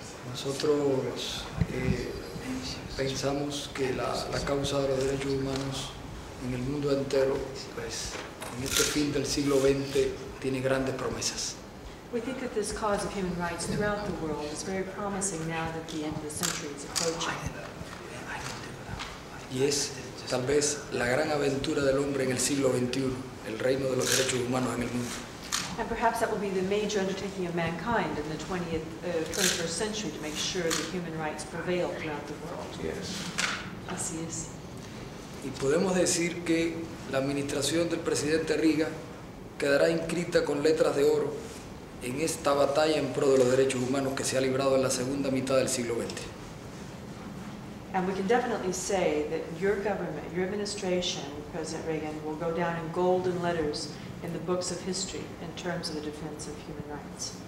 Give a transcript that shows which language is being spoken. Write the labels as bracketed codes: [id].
[es] Nosotros pensamos que la causa de los derechos humanos en el mundo entero, pues, en este fin del siglo XX, tiene grandes promesas. [en] We think that this cause of human rights throughout the world is very promising now that the end of the century is approaching. [es] Y es tal vez la gran aventura del hombre en el siglo XXI, el reino de los derechos humanos en el mundo. [en] And perhaps that will be the major undertaking of mankind in the 21st century to make sure that human rights prevail throughout the world. Yes. [es] Así es. Y podemos decir que la administración del presidente Reagan quedará inscrita con letras de oro en esta batalla en pro de los derechos humanos que se ha librado en la segunda mitad del siglo XX. [en] And we can definitely say that your government, your administration, President Reagan, will go down in golden letters in the books of history, in terms of the defense of human rights.